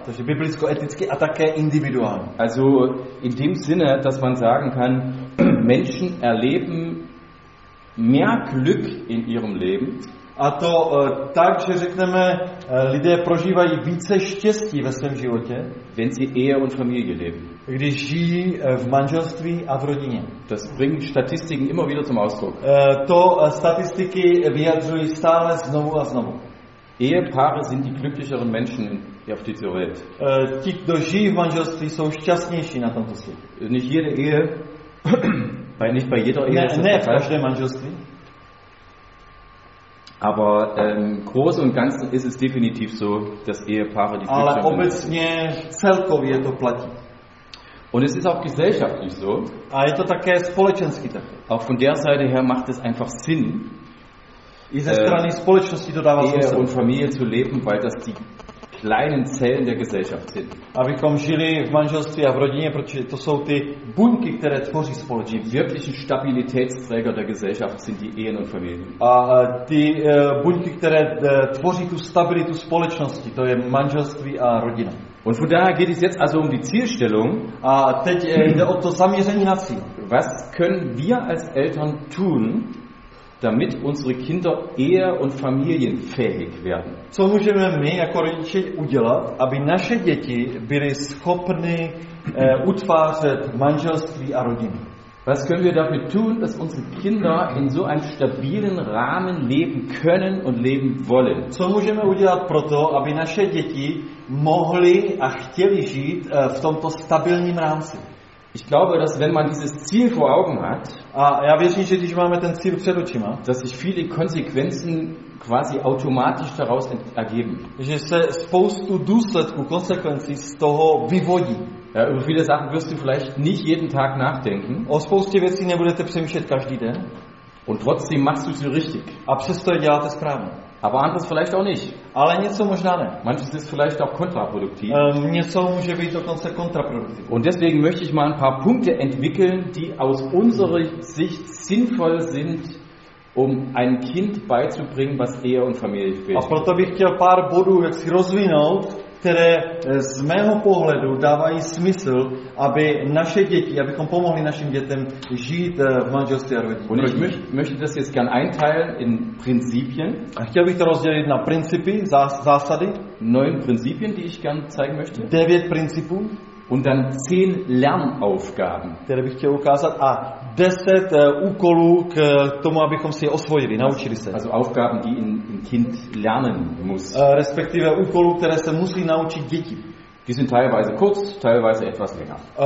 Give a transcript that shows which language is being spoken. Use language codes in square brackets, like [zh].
[cs] Takže biblicko eticky a také individuálně. [de] Also in dem Sinne, dass man sagen kann, Menschen erleben mehr Glück in ihrem Leben. [cs] A to tak, že řekneme, lidé prožívají více štěstí ve svém životě, [de] wenn sie Ehe und Familie leben. [cs] Když žijí v manželství a v rodině. [de] Das bringen Statistiken immer wieder zum Ausdruck. [cs] To statistiky vyjadřují stále znovu a znovu. [de] Ehepaare sind die glücklicheren Menschen auf dieser Welt. [cs] Ti, kdo žijí v manželství, jsou šťastnější na tomto světě. [de] Nicht jede Ehe, nicht bei jeder Ehe. [cs] Ne v každé manželství. [de] Aber groß und ganz ist es definitiv so, dass Ehepaare die [cs] Ale obecně celkově to platí. [de] Und es ist auch gesellschaftlich so. [cs] A je to také společensky tak. [de] Auch von der Seite her macht es einfach Sinn. [cs] I ze strany společnosti to dává [de] smysl. Ehe und Familie zu leben, weil das die kleinen Zellen der Gesellschaft sind. [cs] abychom žili v manželství a v rodině, protože to jsou ty buňky, které tvoří společnost. [de] Die wirklichen Stabilitätsträger der Gesellschaft sind die Ehen und Familien. [cs] A ty buňky, které tvoří tu stabilitu společnosti, to je manželství a rodina. [de] Und von daher geht es jetzt also um die Zielstellung. [cs] A teď jde o to zaměření na cíl. [de] Was können wir als Eltern tun, damit unsere Kinder eher und familienfähig werden? [cs] Co můžeme my jako rodiče udělat, aby naše děti byly schopny utvářet manželství a rodiny? [de] Was können wir dafür tun, dass unsere Kinder in so einem stabilen Rahmen leben können und leben wollen? [cs] Co můžeme udělat proto, aby naše děti mohly a chtěly žít v tomto stabilním rámci? [de] Ich glaube, dass wenn man dieses Ziel vor Augen hat, [cs] a já věřím, že když máme ten cíl před očima, [de] dass sich viele Konsequenzen quasi automatisch daraus ergeben. [cs] Že se spoustu důsledků, konsekvencí z toho vyvodí. [de] Ja, über viele Sachen wirst du vielleicht nicht jeden Tag nachdenken. [cs] O spoustě věcí nebudete přemýšlet každý den. [de] Und trotzdem machst du sie richtig. [cs] A přesto děláte správně. [de] Aber anders vielleicht auch nicht. [cs] Ale něco možná ne. [de] Manches ist vielleicht auch kontraproduktiv. [cs] Něco může být dokonce kontraproduktiv. [de] Und deswegen möchte ich mal ein paar Punkte entwickeln, die aus unserer Sicht sinnvoll sind, um ein Kind beizubringen, was Ehe und Familie fehlt. [cs] A proto bych chtěl pár bodů jaksi rozvinout, které z mého pohledu dávají smysl, aby naše děti, abychom pomohli našim dětem žít v manželství a rodině. [de] Möchte das jetzt gern einteilen in Prinzipien. [cs] A chtěl bych to rozdělit na principy, zásady. [de] 9 Prinzipien, die ich gern zeigen möchte. [cs] 9 principů. [de] Und dann 10 Lernaufgaben. [cs] Které bych chtěl ukázat. A 10 úkolů k tomu, abychom si je osvojili, naučili se. [de] Also Aufgaben, die ein Kind lernen muss. [cs] Respektive úkolů, které se musí naučit děti. [de] Die sind teilweise kurz, teilweise etwas länger.